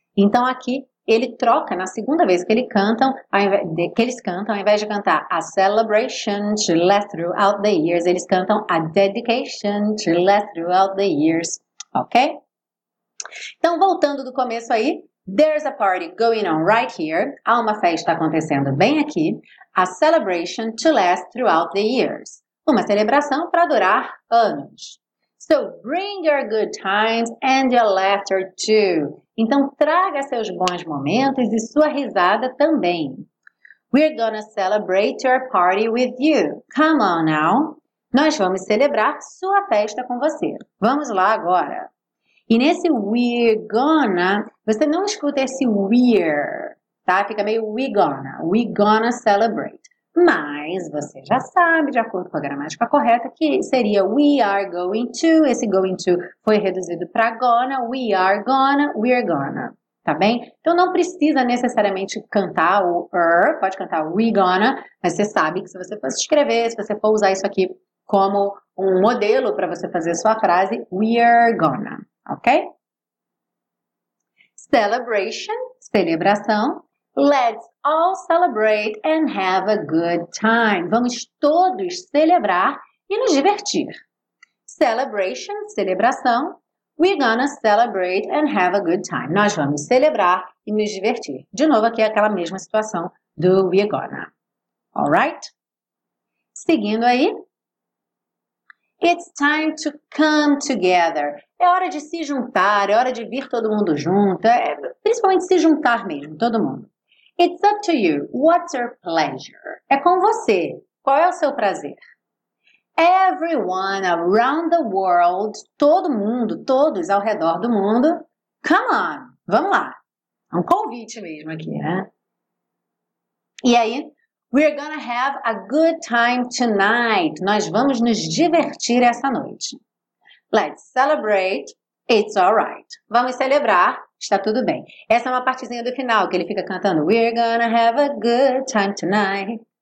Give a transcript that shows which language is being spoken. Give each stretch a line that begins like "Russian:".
Portuguese: Então aqui ele troca, na segunda vez que eles cantam, ao invés de cantar
English: a celebration to last throughout the years,
Portuguese: eles cantam
English: a dedication to last throughout the years,
Portuguese: ok? Então voltando do começo aí,
English: there's a party going on right here.
Portuguese: Há uma festa acontecendo bem aqui.
English: A celebration to last throughout the years.
Portuguese: Uma celebração para durar anos.
English: So bring your good times and your laughter too.
Portuguese: Então traga seus bons momentos e sua risada também.
English: We're gonna celebrate your party with you. Come on now.
Portuguese: Nós vamos celebrar sua festa com você. Vamos lá agora. E nesse we're gonna, você não escuta esse we're, tá? Fica meio
English: we gonna celebrate.
Portuguese: Mas você já sabe, de acordo com a gramática correta, que seria we are going to, esse going to foi reduzido para gonna, we are gonna, we're gonna, tá bem? Então não precisa necessariamente cantar o pode cantar we gonna, mas você sabe que se você for escrever, se você for usar isso aqui como um modelo para você fazer a sua frase, we're gonna. Ok? Celebration, celebração.
English: Let's all celebrate and have a good time.
Portuguese: Vamos todos celebrar e nos divertir. Celebration, celebração.
English: We're gonna celebrate and have a good time.
Portuguese: Nós vamos celebrar e nos divertir. De novo, aqui é aquela mesma situação do we're gonna. Alright? Seguindo aí.
English: It's time to come together.
Portuguese: É hora de se juntar, é hora de vir todo mundo junto, é principalmente se juntar mesmo, todo mundo.
English: It's up to you. What's your pleasure?
Portuguese: É com você. Qual é o seu prazer?
English: Everyone around the world,
Portuguese: todo mundo, todos ao redor do mundo,
English: come on,
Portuguese: vamos lá. É um convite mesmo aqui, né?
English: E aí, we're gonna have a good time tonight.
Portuguese: Nós vamos nos divertir essa noite.
English: Let's celebrate, it's alright.
Portuguese: Vamos celebrar, está tudo bem. Essa é uma partezinha do final, que ele fica cantando.
English: We're gonna have a good time tonight.